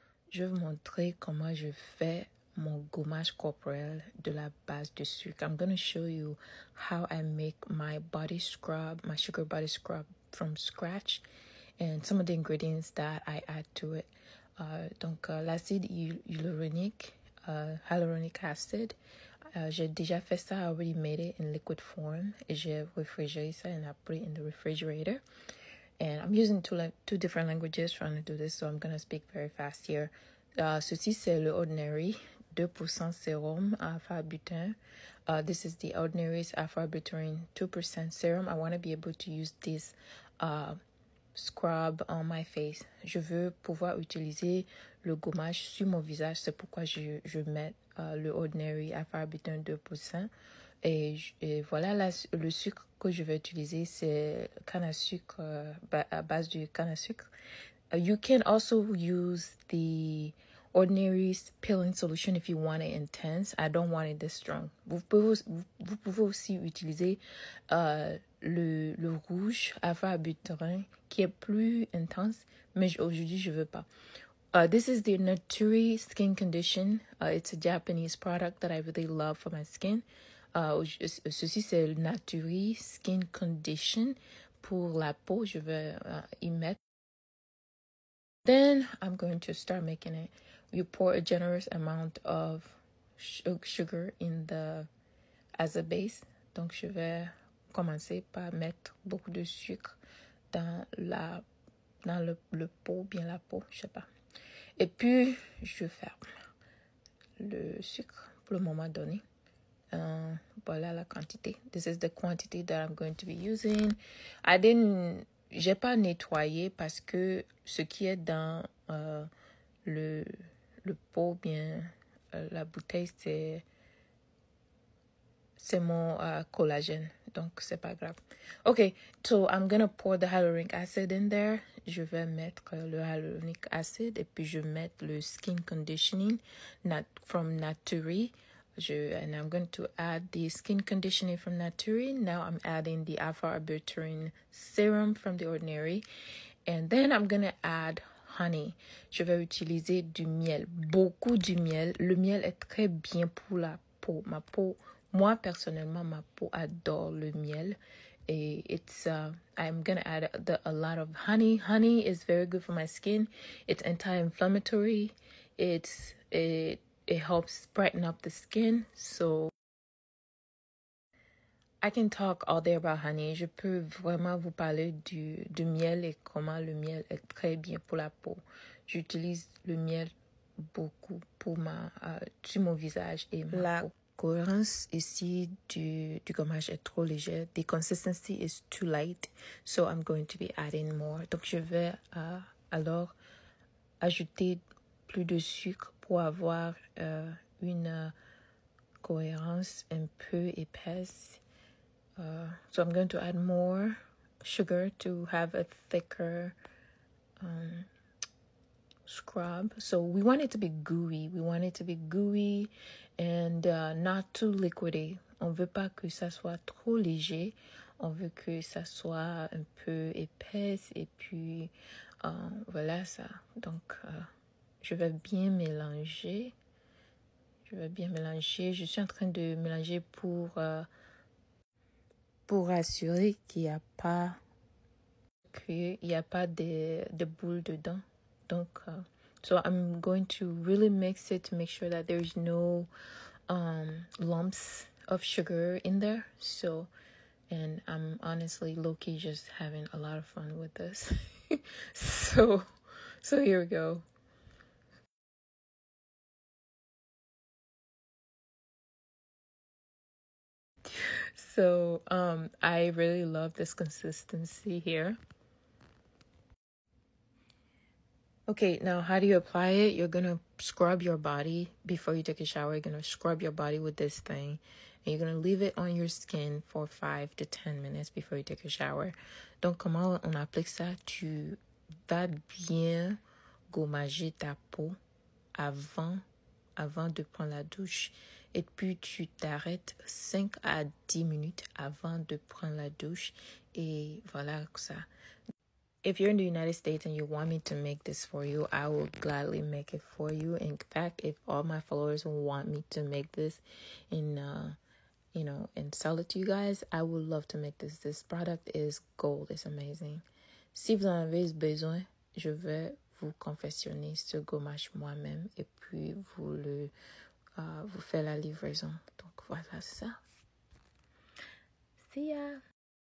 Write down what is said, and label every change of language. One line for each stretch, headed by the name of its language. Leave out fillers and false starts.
French: Je vais vous montrer comment je fais mon gommage corporel de la base de sucre.
English: I'm going to show you how I make my body scrub, my sugar body scrub from scratch and some of the ingredients that I add to it. L'acide hyaluronique, hyaluronic acid,
French: j'ai déjà fait ça,
English: I already made it in liquid form.
French: Et j'ai réfrigéré ça
English: and I put it in the refrigerator. And I'm using two different languages trying to do this, so I'm going to speak very fast here.
French: Ceci, c'est le ordinary, 2% serum, aburtin.
English: This is the ordinary aburtin, 2% serum. I want to be able to use this scrub on my face.
French: Je veux pouvoir utiliser le gommage sur mon visage. C'est pourquoi je mets le ordinary aburtin 2%. Et voilà, le sucre que je vais utiliser, c'est canne à sucre, à base du canne à sucre.
English: You can also use the ordinary peeling solution if you want it intense. I don't want it this strong.
French: Vous pouvez aussi utiliser le rouge aburtin qui est plus intense, mais aujourd'hui je veux pas.
English: This is the Naturi skin condition. It's a Japanese product that I really love for my skin.
French: Ceci c'est le Naturi skin condition pour la peau. Je veux y mettre.
English: Then I'm going to start making it. You pour a generous amount of sugar in the as a base.
French: Donc je vais commencer par mettre beaucoup de sucre dans la dans le pot, bien la peau, je sais pas. Et puis je ferme le sucre pour le moment donné. Voilà la quantité.
English: This is the quantity that I'm going to be using.
French: J'ai pas nettoyé parce que ce qui est dans le pot, bien la bouteille, c'est mon collagène. Donc, c'est pas grave.
English: Okay, so I'm gonna pour the hyaluronic acid in there.
French: Je vais mettre le hyaluronic acid et puis je mets le
English: skin conditioning from Naturi. And I'm going to add the skin conditioning from Naturi. Now I'm adding the alpha aburtin serum from the ordinary. And then I'm gonna add honey.
French: Je vais utiliser du miel, beaucoup du miel. Le miel est très bien pour la peau, ma peau. Moi, personnellement, ma peau adore le miel.
English: Et I'm going to add a lot of honey. Honey is very good for my skin. It's anti-inflammatory. It helps brighten up the skin. So, I can talk all day about honey.
French: Je peux vraiment vous parler du miel et comment le miel est très bien pour la peau. J'utilise le miel beaucoup pour sur mon visage et ma peau. La cohérence ici du gommage est trop légère.
English: The consistency is too light, so I'm going to be adding more.
French: Donc je vais alors ajouter plus de sucre pour avoir une cohérence un peu épaisse.
English: So I'm going to add more sugar to have a thicker scrub. So we want it to be gooey. We want it to be gooey and not too liquidy.
French: On veut pas que ça soit trop léger. On veut que ça soit un peu épaisse et puis voilà ça. Donc je vais bien mélanger. Je vais bien mélanger. Je suis en train de mélanger pour assurer qu'il n'y a pas de boules dedans.
English: Donc, so I'm going to really mix it to make sure that there's no lumps of sugar in there. So, and I'm honestly low-key just having a lot of fun with this. So here we go. So, I really love this consistency here. Okay, now how do you apply it? You're going to scrub your body before you take a shower. You're going to scrub your body with this thing. And you're going to leave it on your skin for 5 to 10 minutes before you take a shower.
French: Donc, comment on applique ça? Tu vas bien gommager ta peau avant de prendre la douche. Et puis tu t'arrêtes 5 à 10 minutes avant de prendre la douche. Et voilà ça.
English: If you're in the United States and you want me to make this for you, I will gladly make it for you. In fact, if all my followers want me to make this and, you know, and sell it to you guys, I would love to make this. This product is gold. It's amazing.
French: Si vous en avez besoin, je vais vous confectionner ce gommage moi-même et puis vous le vous faire la livraison. Donc voilà ça.
English: See ya!